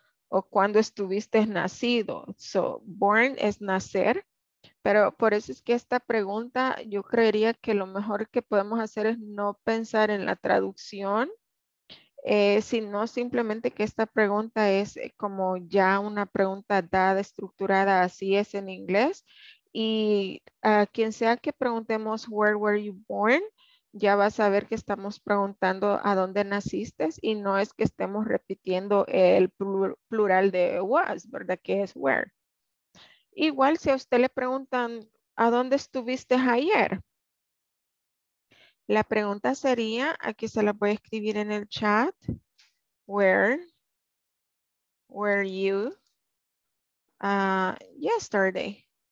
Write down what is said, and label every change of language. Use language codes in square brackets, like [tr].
[es] O cuando estuviste nacido. So, born es nacer. Pero por eso es que esta pregunta, yo creería que lo mejor que podemos hacer es no pensar en la traducción, sino simplemente que esta pregunta es como ya una pregunta dada, estructurada, así es en inglés. Y quien sea que preguntemos, [en] where were you born? [es] Ya vas a ver que estamos preguntando a dónde naciste y no es que estemos repitiendo el plural de was, ¿verdad? Que es where. Igual si a usted le preguntan, ¿a dónde estuviste ayer? La pregunta sería, aquí se la voy a escribir en el chat, [en] where were you yesterday?